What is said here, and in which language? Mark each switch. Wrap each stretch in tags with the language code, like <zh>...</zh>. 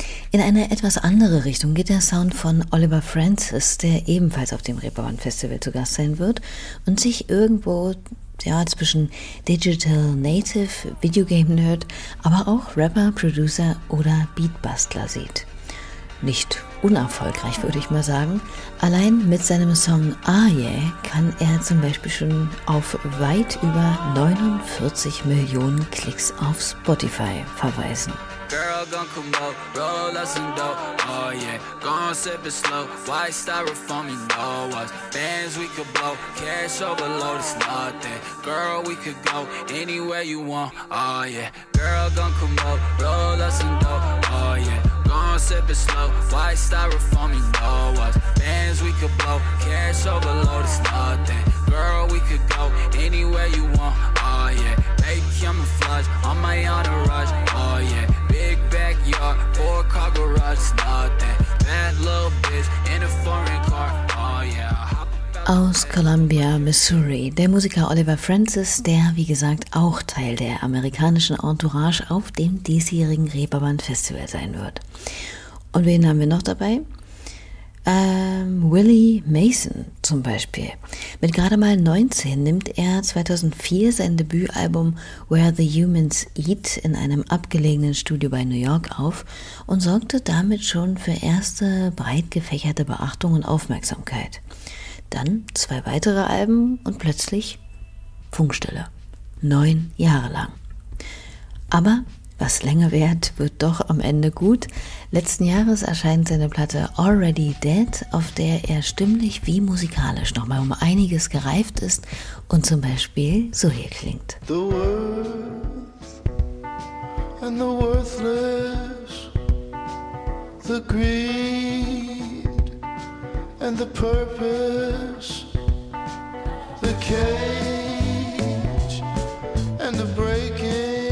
<de>In eine etwas andere Richtung geht der Sound von Oliver Francis, der ebenfalls auf dem Reeperbahn Festival zu Gast sein wird und sich irgendwo ja, zwischen Digital Native, Videogame Nerd, aber auch Rapper, Producer oder Beatbastler sieht. Nicht unerfolgreich, würde ich mal sagen. Allein mit seinem Song Ah Yeah kann er zum Beispiel schon auf weit über 49 Millionen Klicks auf Spotify verweisen.</de> <en>Girl, gon' come out, roll us some dope. Oh yeah, gon' sip it slow. White styrofoam, you know what? Bands we could blow, cash overload, it's nothing. Girl, we could go anywhere you want. Oh yeah, girl, gon' come out, roll us some dope. Oh yeah, gon' sip it slow. White styrofoam, you know what? Bands we could blow, cash overload, it's nothing. Girl, we could go anywhere you want. Oh yeah, baby, I'm a flush, on my entourage. Oh yeah. Big backyard, four car garage, nothing. Bad little bitch in a foreign car. Oh yeah.</en> <de>Aus Columbia, Missouri, der Musiker Oliver Francis, der wie gesagt auch Teil der amerikanischen Entourage auf dem diesjährigen Reeperbahn Festival sein wird. Und wen haben wir noch dabei? Willie Mason zum Beispiel. Mit gerade mal 19 nimmt er 2004 sein Debütalbum Where the Humans Eat in einem abgelegenen Studio bei New York auf und sorgte damit schon für erste breit gefächerte Beachtung und Aufmerksamkeit. Dann zwei weitere Alben und plötzlich Funkstille. 9 Jahre lang. Aber was länger währt, wird doch am Ende gut. Letzten Jahres erscheint seine Platte Already Dead, auf der er stimmlich wie musikalisch nochmal um einiges gereift ist und zum Beispiel so hier klingt.</de> <en>The words and the worthless, the greed and the purpose, the cage and the breaking.</en>